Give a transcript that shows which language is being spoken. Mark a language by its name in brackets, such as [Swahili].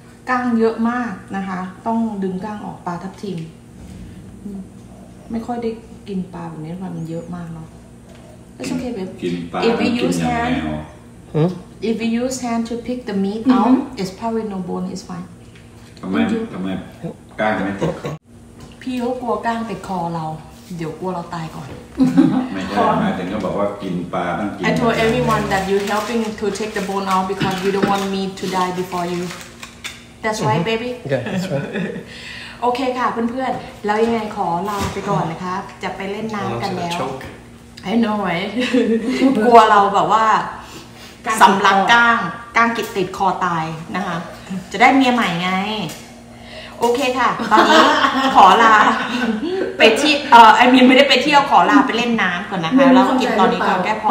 [Thai] ก้างเยอะมากนะคะต้องดึงก้างออกปลาทับทิมไม่ค่อยได้กินปลาแบบนี้เพราะมันเยอะมากเนาะ [English] It's okay babe. If you use hand If you use hand to pick the meat out it's probably no bone it's fine [Thai] ทำไมก้างจะไม่ปวดคอ พี่เขากลัวก้างติดคอเราเดี๋ยวกลัวเราตายก่อน ไม่ได้หมายถึงก็บอกว่ากินปลาต้องกิ น [English] I told everyone that you helping to take the bone out because we don't want meat to die before you That's right baby Yeah that's right [Thai] โอเคค่ะเพื่อนๆแล้วยังไงขอลาไปก่อนนะคะจะไปเล่นน้ำกันแล้ว [English] I know right [Thai] กลัวเราแบบว่าสำลักก้างก้างกิดติดคอตายนะคะจะได้เมียใหม่ไงโอเคค่ะตอนนี้ขอลาไปที่ไอ้มีนไม่ได้ไปเที่ยวขอลาไปเล่นน้ำก่อนนะคะแล้วกินตอนนี้ก่อนแก้พอ